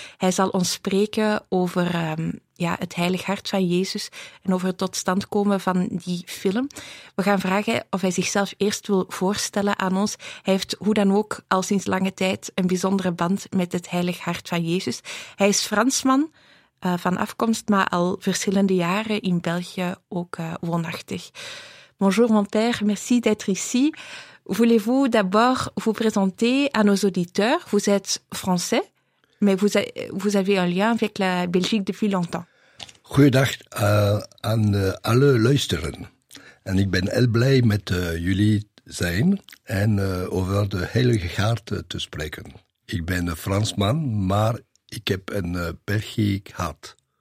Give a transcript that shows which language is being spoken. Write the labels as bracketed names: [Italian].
[Dutch] Hij zal ons spreken over het Heilig Hart van Jezus en over het tot stand komen van die film. We gaan vragen of hij zichzelf eerst wil voorstellen aan ons. Hij heeft hoe dan ook al sinds lange tijd een bijzondere band met het Heilig Hart van Jezus. Hij is Fransman van afkomst, maar al verschillende jaren in België ook woonachtig. [French] Bonjour mon père, merci d'être ici. Voulez-vous d'abord vous présenter à nos auditeurs? Vous êtes français, mais vous avez un lien avec la Belgique depuis longtemps. [Dutch] Goeiedag aan alle luisteren. En ik ben heel blij met jullie zijn en over de Heilige Hart te spreken. Ik ben een Fransman, maar ik heb een Belgiek hart.